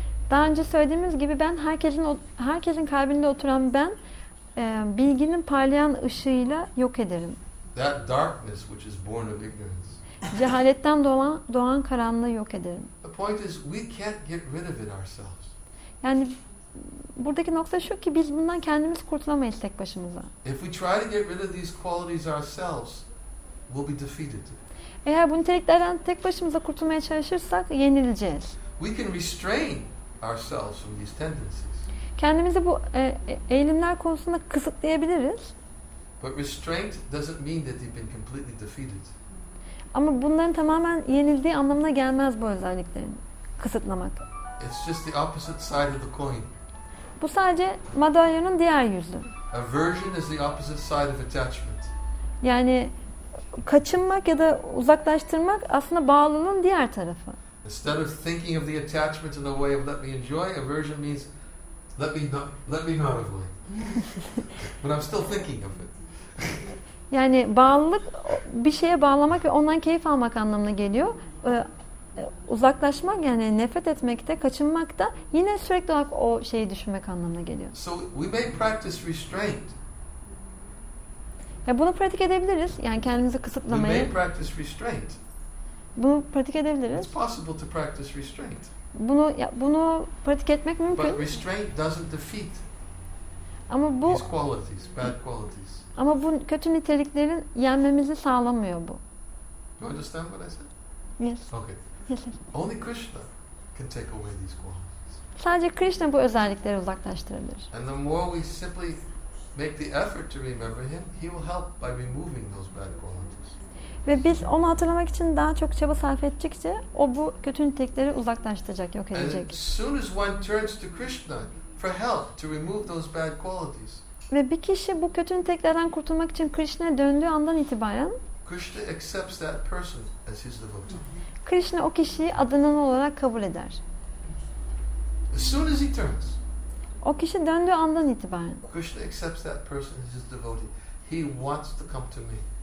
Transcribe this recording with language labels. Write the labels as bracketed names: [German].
[Turkish] Daha önce söylediğimiz gibi ben herkesin kalbinde oturan ben bilginin parlayan ışığıyla yok ederim. [English] That darkness which is born of ignorance. [Turkish] Cehaletten doğan karanlığı yok ederim. [English] The point is we can't get rid of it ourselves. [Turkish] Yani buradaki nokta şu ki biz bundan kendimiz kurtulamayız tek başımıza. [English] If we try to get rid of these qualities ourselves, we'll be defeated. [Turkish] Eğer bu niteliklerden tek başımıza kurtulmaya çalışırsak yenileceğiz. [English] We can restrain ourselves from these tendencies. [Turkish] Kendimizi bu eğilimler konusunda kısıtlayabiliriz. [English] But restraint doesn't mean that they've been completely defeated. [Turkish] Ama bunların tamamen yenildiği anlamına gelmez bu özelliklerin kısıtlamak. [English] It's just the opposite side of the coin. [Turkish] Bu sadece madalyonun diğer yüzü. [English] Aversion is the opposite side of attachment. [Turkish] Yani kaçınmak ya da uzaklaştırmak aslında bağlılığın diğer tarafı. [English] Instead of thinking of the attachment in a way of let me enjoy, aversion means let me not avoid. But I'm still thinking of it. [Turkish] Yani bağlılık bir şeye bağlamak ve ondan keyif almak anlamına geliyor. Uzaklaşmak yani nefret etmek de kaçınmak da yine sürekli olarak o şeyi düşünmek anlamına geliyor. [English] So we may practice restraint. [Turkish] Ya bunu pratik edebiliriz. Yani kendimizi kısıtlamaya. [English] We may practice restraint. [Turkish] Bunu pratik edebiliriz. [English] It's possible to practice restraint. [Turkish] Bunu pratik etmek mümkün. [English] But restraint doesn't defeat. [Turkish] Ama bu [English] these qualities, bad qualities. [Turkish] Ama bu kötü niteliklerin yenmemizi sağlamıyor bu. [English] You understand what I said? Yes. Okay. Yes. Only Krishna can take away these qualities. [Turkish] Sadece Krishna bu özellikleri uzaklaştırabilir. [English] And the more we simply make the effort to remember him, he will help by removing those bad qualities. [Turkish] Ve biz onu hatırlamak için daha çok çaba sarf ettikçe o bu kötü nitelikleri uzaklaştıracak, yok edecek. [English] And soon as one turns to Krishna for help to remove those bad qualities. [Turkish] Ve bir kişi bu kötü niteliklerden kurtulmak için Krishna'ya döndüğü andan itibaren [English] Krishna accepts that person as his devotee. [Turkish] Krishna o kişiyi adının olarak kabul eder. [English] As soon as he turns. [Turkish] O kişi döndüğü andan itibaren. [English] Krishna accepts that person as his devotee. He wants to come to me.